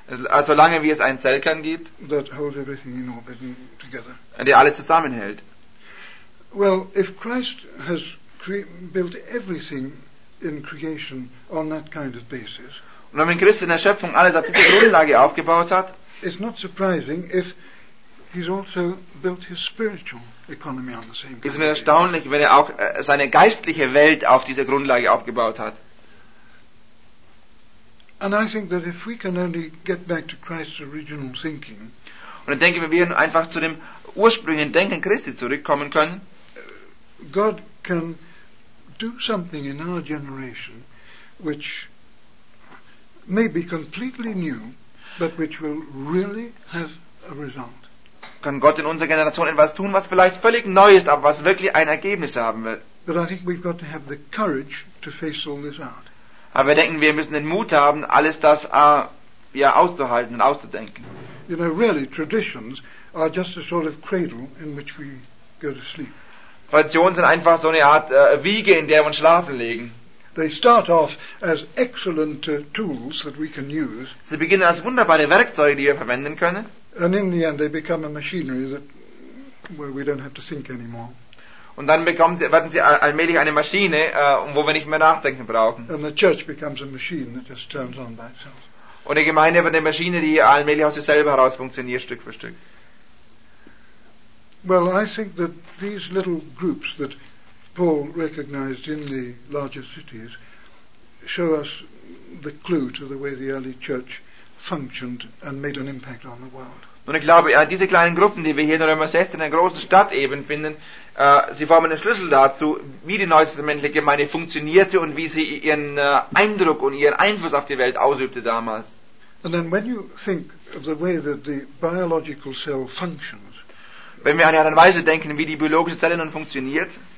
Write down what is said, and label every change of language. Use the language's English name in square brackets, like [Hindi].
[German] Also lange wie es einen Zellkern gibt. [English] That holds everything in orbit and together. [German] Und der alles zusammenhält. [English] Well, if Christ has built everything in creation on that kind of basis. [German] Und wenn Christ in der Schöpfung alles auf diese Grundlage aufgebaut hat, [English] it's not surprising if he's also built his spiritual economy on the same [German] basis. Ist es erstaunlich, wenn er auch seine geistliche Welt auf dieser Grundlage aufgebaut hat? [English] And I think that if we can only get back to Christ's original thinking, [German] und ich denke, wenn wir einfach zu dem ursprünglichen Denken Christi zurückkommen können, [English] God can do something in our generation which maybe completely new, but which will really have a result. [German] Kann Gott in unserer Generation etwas tun, was vielleicht völlig neu ist, aber was wirklich ein Ergebnis haben wird? [English] But I think we've got to have the courage to face all this out. [German] Aber wir denken, wir müssen den Mut haben, alles das auszuhalten und auszudenken. [English] You know, really, traditions are just a sort of cradle in which we go to sleep. [German] Traditionen sind einfach so eine Art Wiege, in der wir uns schlafen legen. [English] They start off as excellent tools that we can use. [German] Sie beginnen als wunderbare Werkzeuge, die wir verwenden können. [English] And in the end, they become a machinery that where we don't have to think anymore. [German] Und dann bekommen sie, werden sie allmählich eine Maschine, wo wir nicht mehr nachdenken brauchen. [English] And the church becomes a machine that just turns on by itself. [German] Und die Gemeinde wird eine Maschine, die allmählich aus sich selber heraus funktioniert, Stück für Stück. [English] Well, I think that these little groups that Paul recognized in the larger cities show us the clue to the way the early church functioned and made an impact on the world. [German] Und ich glaube, diese kleinen Gruppen, die wir hier in Römer 16 in der großen Stadt eben finden, sie formen einen Schlüssel dazu, wie die neutestamentliche Gemeinde funktionierte und wie sie ihren Eindruck und ihren Einfluss auf die Welt ausübte damals. [English] And then when you think of the way that the biological cell functions, [German] wenn wir an eine Weise denken, wie die biologische Zelle nun funktioniert,